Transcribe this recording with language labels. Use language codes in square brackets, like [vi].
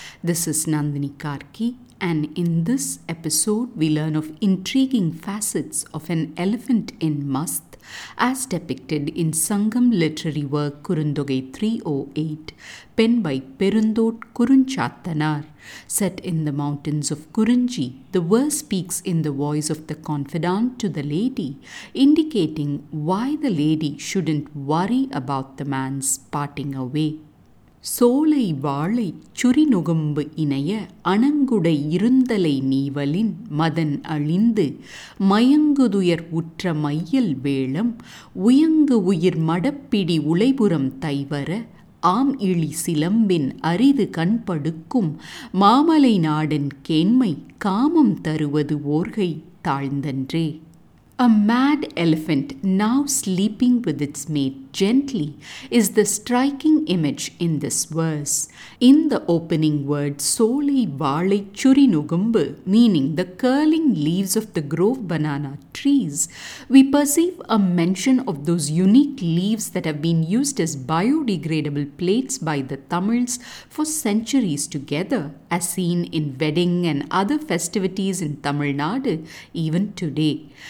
[en] This is Nandini Karki, and in this episode we learn of intriguing facets of an elephant in Mast as depicted in Sangam literary work Kurundogai 308 penned by Perundot Kurunchatanar. Set in the mountains of Kurunji, the verse speaks in the voice of the confidant to the lady, indicating why the lady shouldn't worry about the man's parting away. [ta] சோலை வாழை சுரி நுகம்பு இணைய அணங்குடை இருந்தலை நீவலின் மதன் அழிந்து மயங்குதுயர் உற்ற மையல் வேளம் உயங்கு உயிர் மடப்பிடி உலைபுறம் தைவர ஆம் இழி சிலம்பின் அரிது கண்படுக்கும் மாமலை நாடன் கேண்மை காமம் தருவது ஓர்கை தாழ்ந்தன்றே. [en] A mad elephant now sleeping with its mate gently is the striking image in this verse. In the opening word, solei vaalai churi nugumbu, meaning the curling leaves of the grove banana trees, we perceive a mention of those unique leaves that have been used as biodegradable plates by the Tamils for centuries together, as seen in wedding and other festivities in Tamil Nadu even today.